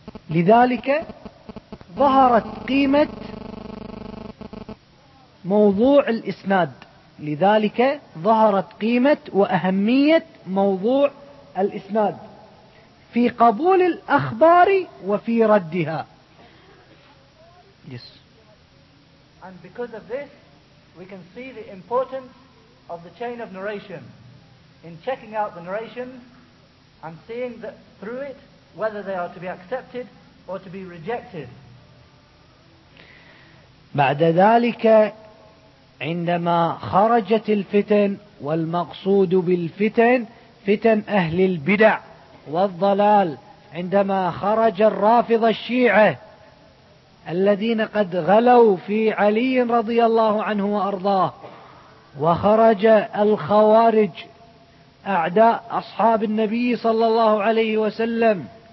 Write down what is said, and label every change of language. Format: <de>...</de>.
<ar>لذلك ظهرت قيمة موضوع الإسناد لذلك ظهرت قيمة وأهمية موضوع الإسناد في قبول الأخبار وفي ردها.</ar> <en>Yes. And because of this we can see the importance of the chain of narration in checking out the narrations and seeing that through it whether they are to be accepted or to be rejected.</en> <ar>بعد ذلك عندما خرجت الفتن والمقصود بالفتن فتن أهل البدع والضلال عندما خرج الرافض الشيعة الذين قد غلوا في علي رضي الله عنه وأرضاه وخرج الخوارج أعداء أصحاب النبي صلى الله عليه وسلم</ar>